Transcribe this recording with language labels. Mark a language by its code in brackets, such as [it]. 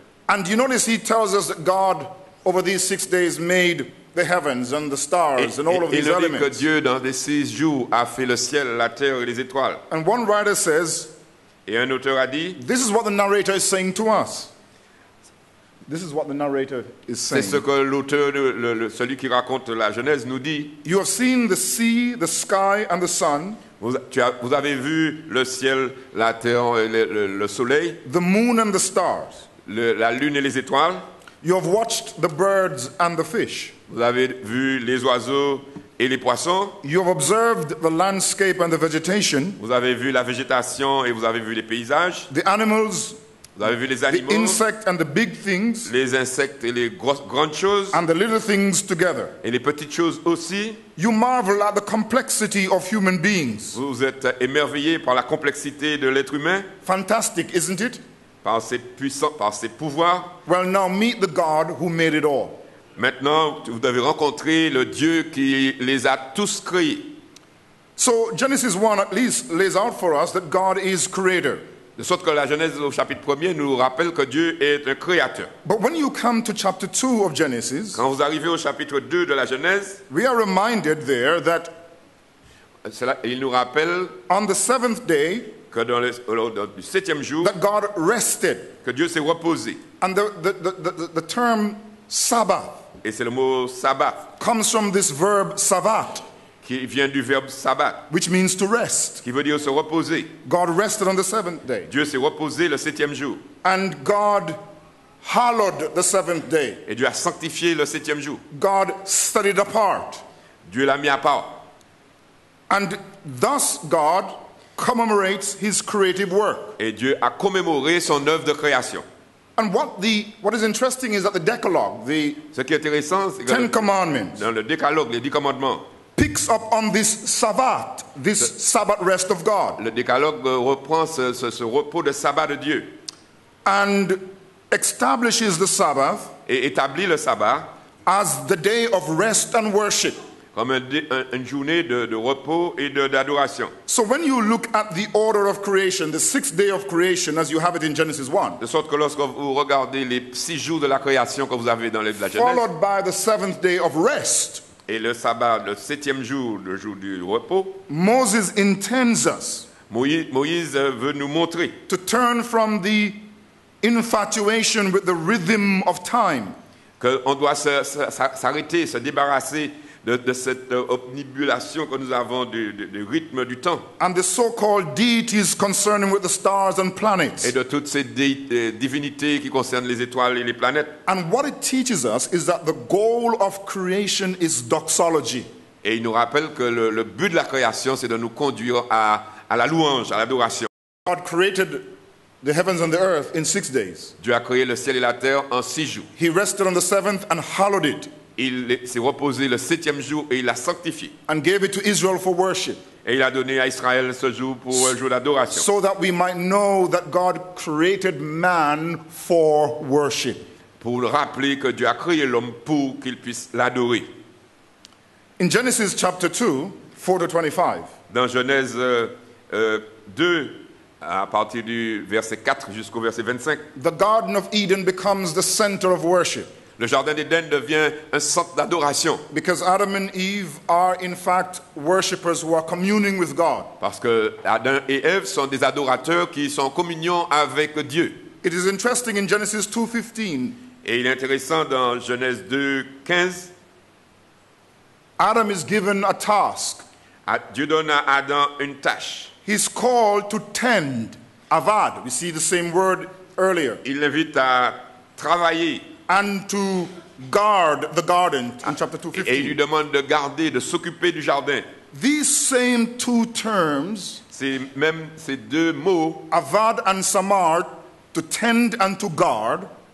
[en] And you notice he tells us that God, over these 6 days, made the heavens and the stars and all of these elements. [fr] Il dit que Dieu, dans les 6 jours, a fait le ciel, la terre et les étoiles. [en] And one writer says, [fr] et un auteur a dit, [en] this is what the narrator is saying to us. This is what the narrator is saying. [fr] C'est ce que l'auteur, celui qui raconte la Genèse, nous dit. [en] You have seen the sea, the sky, and the sun. [fr] Vous avez vu le ciel, la terre et le soleil. [en] The moon and the stars. [fr] La lune et les étoiles. [en] You have watched the birds and the fish. [fr] Vous avez vu les oiseaux et les poissons. [en] You have observed the landscape and the vegetation. [fr] Vous avez vu la végétation et vous avez vu les paysages. [en] The animals. [fr] Vous avez vu les animaux, [en] the insects and the big things, [fr] les insectes et les grandes choses, [en] and the little things together. [fr] Et les petites choses aussi. [en] You marvel at the complexity of human beings. [fr] Vous êtes émerveillé par la complexité de l'être humain. [en] Fantastic, isn't it? [fr] Par ses puissants, par ses pouvoirs. [en] Well, now meet the God who made it all. [fr] Maintenant, vous devez rencontrer le Dieu qui les a tous créés. [en] So Genesis 1 at least lays out for us that God is creator. [fr] De sorte que la Genèse au chapitre 1er nous rappelle que Dieu est un créateur. [en] But when you come to chapter 2 of Genesis, [fr] quand vous arrivez au chapitre 2 de la Genèse, [en] we are reminded there that [fr] cela, il nous rappelle [en] on the seventh day, [fr] que dans le septième jour, [en] that God rested, [fr] que Dieu s'est reposé. [en] And the term Sabbath, [fr] et c'est le mot Sabbath, [en] comes from this verb Sabbat, [fr] qui vient du verbe sabbat, [en] which means to rest, [fr] qui veut dire se reposer. [en] God rested on the seventh day. [fr] Dieu s'est reposé le septième jour. [en] And God hallowed the seventh day. [fr] Et Dieu a sanctifié le septième jour. [en] God set it apart. [fr] Dieu l'a mis à part. [en] And thus God commemorates his creative work. [fr] Et Dieu a commémoré son œuvre de création. [en] And what is interesting is that the Decalogue, the [fr] ce qui est intéressant, c'est que [en] Ten Commandments, [fr] dans le Décalogue, les dix commandements, [en] picks up on this Sabbath, this Sabbath rest of God. [fr] Le Décalogue reprend ce repos de sabbat de Dieu. [en] And establishes the Sabbath, [fr] et établit le sabbat, [en] as the day of rest and worship, [fr] comme une journée de repos et d'adoration. [en] So when you look at the order of creation, the sixth day of creation, as you have it in Genesis 1, [fr] de sorte que lorsque vous regardez les six jours de la création que vous avez dans la Genèse, [en] followed by the seventh day of rest, [fr] et le sabbat, le septième jour, le jour du repos, [en] Moses intends us, [fr] Moïse veut nous montrer, [en] to turn from the infatuation with the rhythm of time, [fr] qu'on doit s'arrêter, se débarrasser de cette omnibulation que nous avons du rythme du temps, [en] and the so-called deities concerning with the stars and planets, [fr] et de toutes ces divinités qui concernent les étoiles et les planètes. [en] And what it teaches us is that the goal of creation is doxology. [fr] Et il nous rappelle que le but de la création, c'est de nous conduire à la louange, à l'adoration. [en] God created the heavens and the earth in 6 days. [fr] Dieu a créé le ciel et la terre en 6 jours. [en] He rested on the seventh and hallowed it. [fr] Il s'est reposé le septième jour et il l'a sanctifié. [en] And gave it to Israel for worship. [fr] Et il a donné à Israël ce jour pour un jour d'adoration. [en] So that we might know that God created man for worship. [fr] Pour rappeler que Dieu a créé l'homme pour qu'il puisse l'adorer. [en] In Genesis chapter 2, 4 to 25. [fr] Dans Genèse 2, à partir du verset 4 jusqu'au verset 25. [en] The Garden of Eden becomes the center of worship. [fr] Le jardin d'Éden devient un centre d'adoration. [en] Because Adam and Eve are in fact worshippers who are communing with God. [fr] Parce que Adam et Ève sont des adorateurs qui sont en communion avec Dieu. [en] It is interesting in Genesis 2:15. [fr] Et il est intéressant dans Genèse 2:15. [en] Adam is given a task. [fr] Dieu donne à Adam une tâche. [en] He's called to tend, avad. We see the same word earlier. [fr] Il l'invite à travailler. [en] And to guard the garden in chapter 2:15. [fr] Et il lui demande de garder, de s'occuper du jardin. [en] These same two terms, [fr] ces deux mots, [en] avad and samar, to tend and to guard,